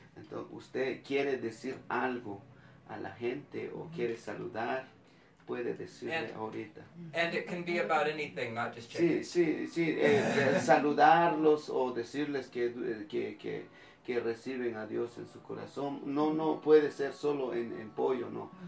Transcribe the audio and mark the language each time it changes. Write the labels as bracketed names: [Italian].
[Spanish] Entonces, usted quiere decir algo a la gente o quiere saludar, puede decirle ahorita. [English] And it can be about anything, not just chickens. [Spanish] Sí, saludarlos o decirles que reciben a Dios en su corazón. No, no, puede ser solo en pollo, no.